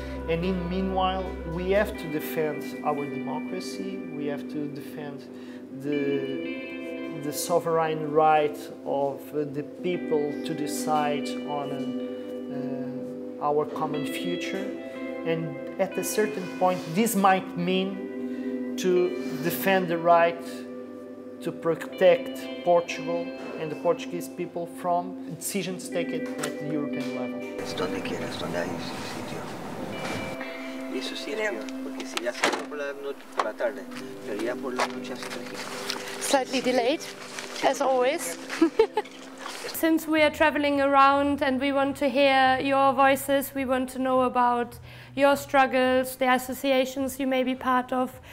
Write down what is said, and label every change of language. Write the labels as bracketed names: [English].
[English] And in meanwhile, we have to defend our democracy, we have to defend the sovereign right of the people to decide on our common future. And at a certain point, this might mean to defend the right to protect Portugal and the Portuguese people from decisions taken at the European level. [Spanish] Es donde quiera, es donde hay un sitio. Y eso sí, porque si ya se va por la noche, por la tarde, pero ya por la noche hace tranquilo. [English] Slightly delayed, as always. Since we are traveling around and we want to hear your voices, we want to know about your struggles, the associations you may be part of.